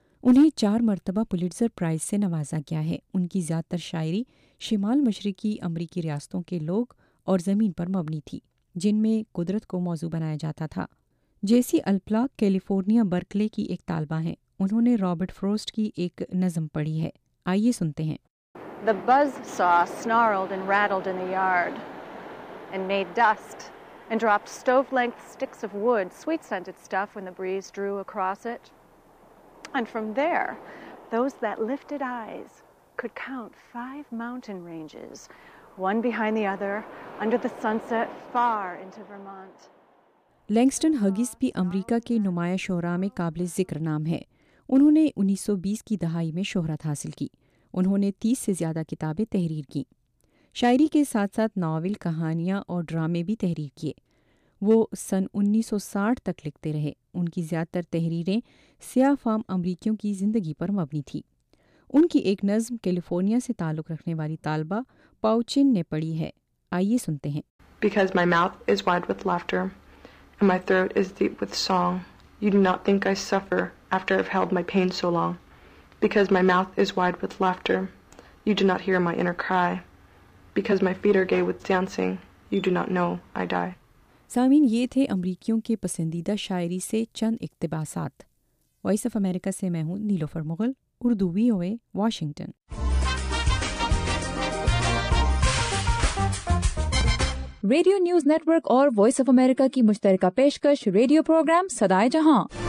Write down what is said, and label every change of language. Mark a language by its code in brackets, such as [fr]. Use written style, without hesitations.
[ur] انہیں 4 مرتبہ Pulitzer price سے نوازا گیا ہے. ان کی زیادہ تر شاعری شمال مشرقی امریکی ریاستوں کے لوگ اور زمین پر مبنی تھی جن میں قدرت کو موضوع بنایا جاتا تھا. جیسی الپلا کیلیفورنیا برکلے کی ایک طالبہ ہیں. انہوں نے رابرٹ فروسٹ کی ایک نظم پڑھی ہے. آئیے سنتے ہیں. [en] The buzz saw snarled and rattled in the yard and made dust and dropped stove-length sticks of wood, sweet-scented stuff, when the breeze drew across it. And from there, those that lifted eyes could count 5 mountain ranges, one behind the other, under the sunset, far into Vermont. [ur] لینگسٹن ہگیز بھی امریکہ کے نمایاں شعرا میں قابل ذکر نام ہے. انہوں نے 1920 کی دہائی میں شہرت حاصل کی. انہوں نے 30 سے زیادہ کتابیں تحریر کیں. شاعری کے ساتھ ساتھ ناول، کہانیاں اور ڈرامے بھی تحریر کیے. وہ 1960 تک لکھتے رہے. ان کی زیادہ تر تحریریں سیاہ فام امریکیوں کی زندگی پر مبنی تھی. ان کی ایک نظم کیلیفورنیا سے تعلق رکھنے والی طالبہ پاؤچن نے پڑھی ہے. آئیے سنتے ہیں. [en] Because my mouth is wide with laughter and my throat is deep with song, you do not think I suffer after I've held my pain so long. Because my mouth is wide with laughter, you do not hear my inner cry. Because my feet are gay with dancing, you do not know I die. [ur] سامعین، یہ تھے امریکیوں کے پسندیدہ شاعری سے چند اقتباسات. Voice of America سے میں ہوں نیلوفر مغل، اردو وی او اے واشنگٹن. ریڈیو نیوز نیٹورک اور وائس آف امریکہ کی مشترکہ پیشکش ریڈیو پروگرام صدائے جہاں،